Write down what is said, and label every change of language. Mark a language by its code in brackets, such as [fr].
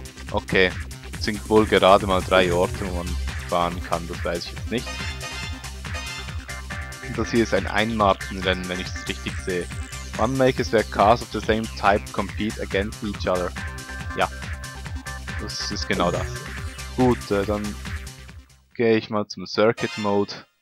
[de] Okay, es sind wohl gerade mal drei Orte, wo man fahren kann, das weiß ich jetzt nicht. Das hier ist ein Einmarkenrennen, wenn ich es richtig sehe. [en] One makes their cars of the same type compete against each other. [de] Ja, das ist genau das. Gut, dann gehe ich mal zum Circuit Mode.